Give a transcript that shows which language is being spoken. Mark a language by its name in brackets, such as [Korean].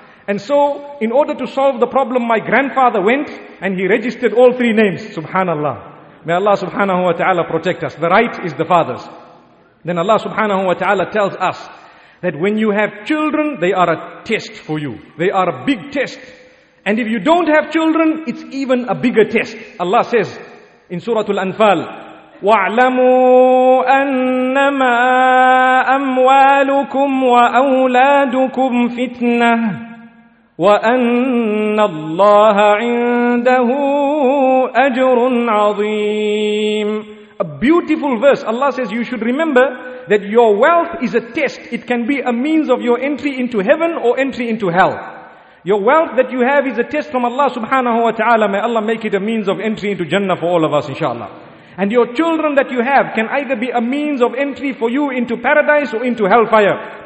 [English] And so, in order to solve the problem, my grandfather went, and he registered all three names, subhanallah. May Allah subhanahu wa ta'ala protect us. The right is the father's. Then Allah subhanahu wa ta'ala tells us that when you have children, they are a test for you. They are a big test. And if you don't have children, it's even a bigger test. Allah says in Surah Al-Anfal, [Arabic] وَاعْلَمُوا أَنَّمَا أَمْوَالُكُمْ وَأَوْلَادُكُمْ فِتْنَةٌ وَأَنَّ اللَّهَ عِنْدَهُ أَجْرٌ عَظِيمٌ. [English] A beautiful verse. Allah says you should remember that your wealth is a test. It can be a means of your entry into heaven or entry into hell. Your wealth that you have is a test from Allah subhanahu wa ta'ala. May Allah make it a means of entry into Jannah for all of us, inshallah. And your children that you have can either be a means of entry for you into paradise or into hellfire.